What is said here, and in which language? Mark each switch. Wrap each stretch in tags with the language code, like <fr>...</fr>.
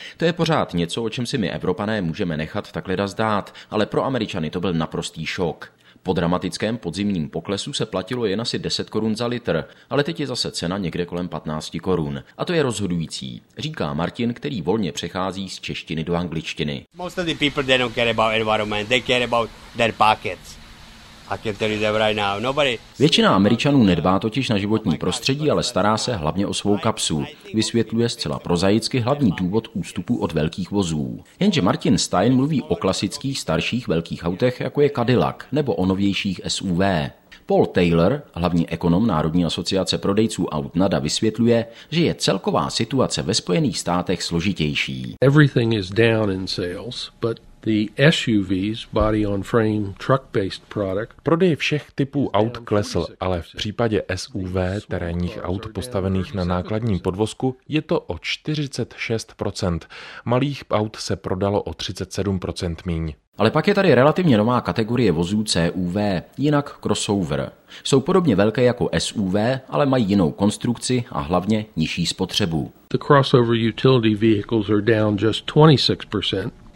<cs>To je pořád něco, o čem si my Evropané můžeme nechat takhle zdát, ale pro Američany to byl naprostý šok. Po dramatickém podzimním poklesu se platilo jen asi 10 korun za litr, ale teď je zase cena někde kolem 15 korun. A to je rozhodující, říká Martin, který volně přechází z češtiny do angličtiny.</cs> <en>Most of the people, they don't care about environment, they care about their pockets.</en> <cs>Většina Američanů nedbá totiž na životní prostředí, ale stará se hlavně o svou kapsu. Vysvětluje zcela prozaicky hlavní důvod ústupu od velkých vozů. Jenže Martin Stein mluví o klasických starších velkých autech, jako je Cadillac, nebo o novějších SUV. Paul Taylor, hlavní ekonom Národní asociace prodejců aut NADA, vysvětluje, že je celková situace ve Spojených státech složitější.</cs> <en>Everything is down in sales, but the SUVs, body on frame, truck-based product.</en> <cs>Prodej všech typů aut klesl, ale v případě SUV, terénních aut postavených na nákladním podvozku, je to o 46%. Malých aut se prodalo o 37% míň. Ale pak je tady relativně nová kategorie vozů CUV, jinak crossover. Jsou podobně velké jako SUV, ale mají jinou konstrukci a hlavně nižší spotřebu.</cs> <en>The crossover utility vehicles are down just 26%.</en>